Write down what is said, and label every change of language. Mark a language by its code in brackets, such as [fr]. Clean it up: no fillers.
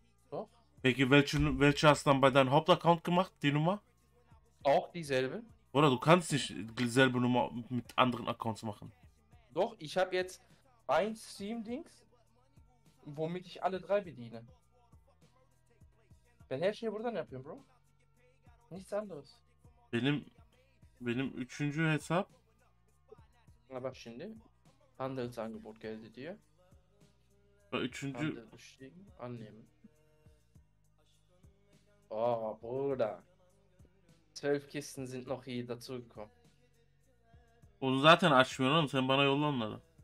[de] Doch. Welche, welche hast du dann bei deinem Hauptaccount gemacht, die Nummer? Auch dieselbe. Oder du kannst nicht dieselbe Nummer mit anderen Accounts machen. Doch, ich habe jetzt ein Steam-Dings, womit ich alle drei bediene. [tr] Ben her şeyi buradan yapıyorum, Bro. [de] Nichts anderes. [tr] Benim üçüncü hesap. Aber şimdi Handelsangebot geldi diyor. Üçüncü. [de] Annehmen. Oh, Bruder. 12 Kisten sind noch hier dazugekommen. [tr] Onu zaten açmıyor oğlum, sen bana yolla onları.